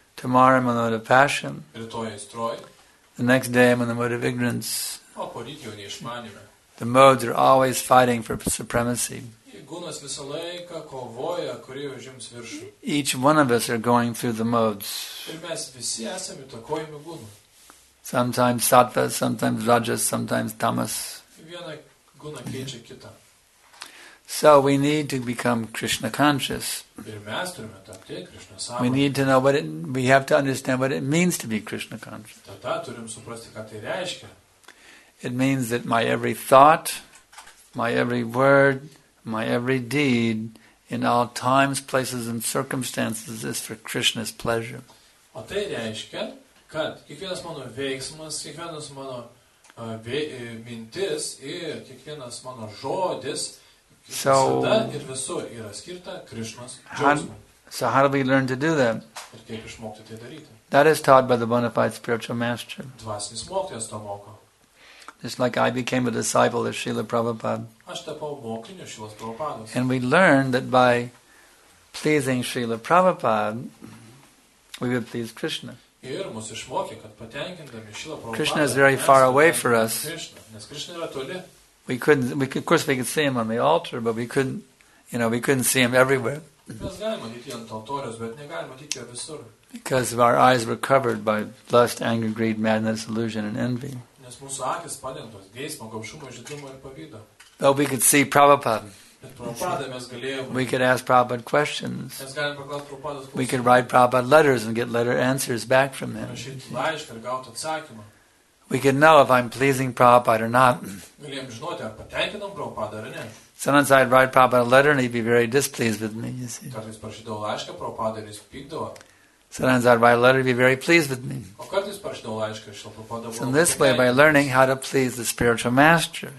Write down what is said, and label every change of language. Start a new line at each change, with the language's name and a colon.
English: Tomorrow I'm in the mode of passion.
Lithuanian: Rytoj aistroj.
English: The next day I'm in the mode of ignorance.
Lithuanian: O poryt jau neišmanime.
English: The modes are always fighting for supremacy.
Lithuanian: Gunas visą laiką kovoja, kurį užims viršų.
English: Each one of us are going through the modes.
Lithuanian: Ir mes visi esame tokojami gunų.
English: Sometimes sattva, sometimes rajas, sometimes tamas.
Lithuanian: Viena guna keičia kitą.
English: So we need to become Krishna conscious.
Lithuanian: Ir mes turime tapti Krishna sąmoningi.
English: We need to know what it, we have to understand what it means to be Krishna conscious.
Lithuanian: Tada turim suprasti, ką tai reiškia.
English: It means that my every thought, my every word, my every deed in all times, places and circumstances is for Krishna's pleasure.
Lithuanian: O tai reiškia, kad kiekvienas mano veiksmas, kiekvienas mano mintis ir kiekvienas mano žodis visada ir visur yra skirta Krishna's džiaugsmui.
English: So how do we learn to do that?
Lithuanian: Ir kaip išmokti tai daryti?
English: That is taught by the bona fide spiritual master.
Lithuanian: Dvasinis mokytojas to moko.
English: Just like I became a disciple of Srila Prabhupada.
Lithuanian: Aš tapau mokiniu Srilas Prabhupados.
English: And we learned that by pleasing Srila Prabhupada, we would please Krishna.
Lithuanian: Ir mus išmokė, kad patenkindami Srila Prabhupada,
English: Krishna is very far away for us.
Lithuanian: Krishna, nes Krishna yra toli.
English: We could see him on the altar, but we couldn't see him everywhere.
Lithuanian: Mes galime matyti ant altoriaus, bet negalime matyti jo visur.
English: Because our eyes were covered by lust, anger, greed, madness, illusion and envy.
Lithuanian: Nes mūsų akis padengtos geismo, gobšumo, žiedumo ir pavydo.
English: But we could see Prabhupada.
Lithuanian: Prabhupada mes galėjom.
English: We could ask Prabhupada questions.
Lithuanian: Mes galim paklausti Prabhupados klausimų.
English: We could write Prabhupada letters and get letter answers back from him.
Lithuanian: Laišką ir gauti atsakymą.
English: We could know if I'm pleasing Prabhupada or not.
Lithuanian: Galėjom žinoti, ar patenkinam Prabhupada ar ne.
English: Sometimes I'd write Prabhupada a letter and he'd be very displeased with me, you see.
Lithuanian: Kartais parašydavau laišką Prabhupada ir jis pykdavo.
English: Sometimes I'd write a letter and be very pleased with me. So in this way, by learning how to please the spiritual master,